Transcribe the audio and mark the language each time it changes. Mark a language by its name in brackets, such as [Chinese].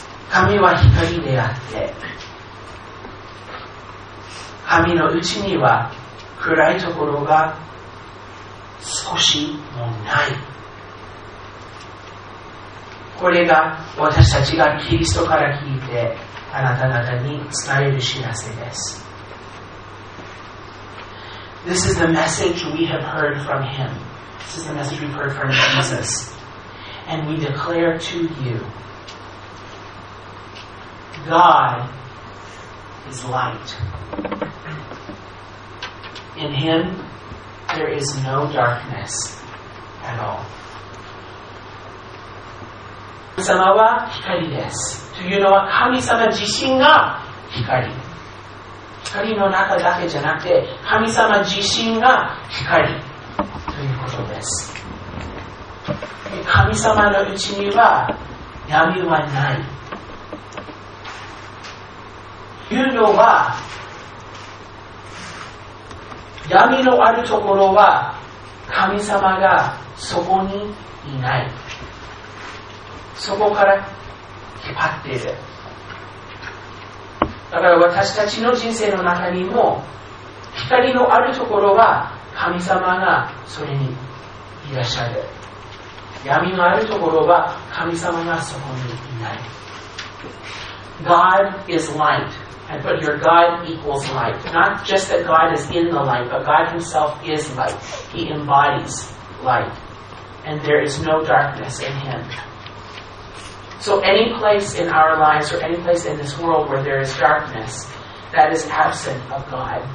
[Japanese] Kami wa hikari de atte Kami no uchi ni wa kurai tokoro ga sukoshi mo nai. これが私たちがキリストから聞いてあなた方に伝える知らせです。 [English] This is the message we have heard from him. This is the message we've heard from Jesus. And we declare to you, God is light. In him, there is no darkness at all. [Japanese] 神様は光です。というのは神様自身が光。光の中だけじゃなくて、神様自身が光ということです。神様のうちには闇はない。というのは、闇のあるところは神様がそこにいない。そこから引っ張っている。だから私たちの人生の中にも光のあるところは神様がそれにいらっしゃる。闇のあるところは神様がそこにいない。 [English] God is light. I put here God equals light. Not just that God is in the light, but God himself is light. He embodies light. And there is no darkness in him. So any place in our lives or any place in this world where there is darkness, that is absent of God.